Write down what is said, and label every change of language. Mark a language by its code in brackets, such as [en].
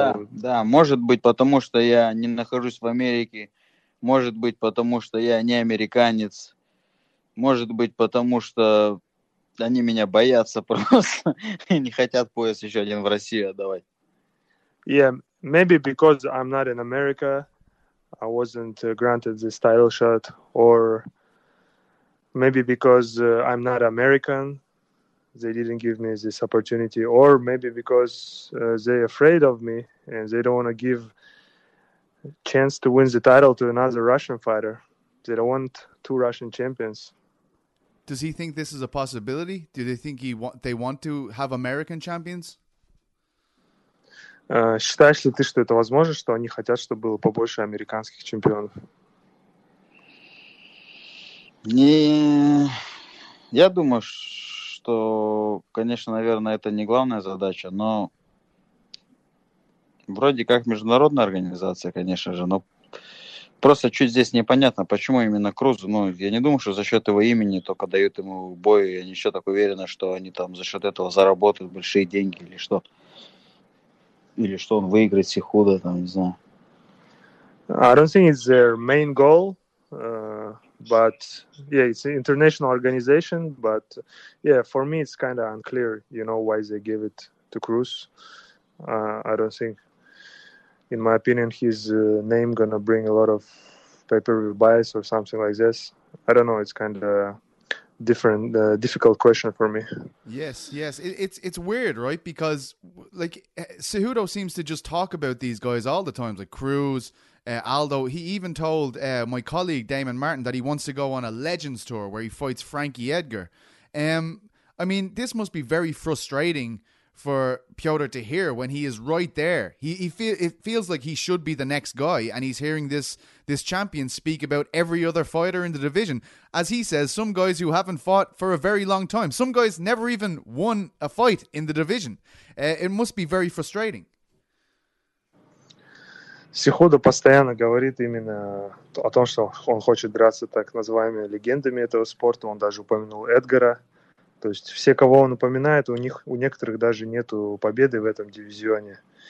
[ru] Да, может быть, потому что я не нахожусь в Америке, может быть, потому что я не американец, может быть, потому что они меня боятся просто и не хотят пояс еще один в Россию отдавать. [en] Yeah, maybe because I'm not in America, I wasn't granted this title shot, or maybe because I'm not American, they didn't give me this opportunity, or maybe because they're afraid of me and they don't want to give a chance to win the title to another Russian fighter. They don't want 2 Russian champions. Does he think this is a possibility? Do they think they want to have American champions? [ru] Считаешь ли ты, что это возможно, что они хотят, чтобы было побольше американских чемпионов? Не, я думаю, что, конечно, наверное, это не главная задача, но вроде как международная организация, конечно же, но просто чуть здесь непонятно, почему именно Крузу. Ну, я не думаю, что за счет его имени только дают ему бой, и они еще так уверены, что они там за счет этого заработают большие деньги или что. Или что он выиграет Сихуда, там, не знаю. [en] I don't think it's their main goal, but, yeah, it's an international organization, but, yeah, for me it's kind of unclear, you know, why they gave it to Cruz. I don't think, in my opinion, his name gonna bring a lot of pay-per-view bias or something like this. I don't know, it's kind of different, difficult question for me. Yes, it's weird, right? Because like Cejudo seems to just talk about these guys all the time, like Cruz, Aldo. He even told my colleague Damon Martin that he wants to go on a Legends tour where he fights Frankie Edgar. I mean, this must be very frustrating for Piotr to hear when he is right there. It feels like he should be the next guy, and he's hearing this champion speak about every other fighter in the division. As he says, some guys who haven't fought for a very long time. Some guys never even won a fight in the division. It must be very frustrating. [ru] Сихода постоянно говорит именно о том, что он хочет драться так называемыми легендами этого спорта. Он даже упомянул Эдгара. То есть все, кого он упоминает, у некоторых даже нету победы в этом дивизионе.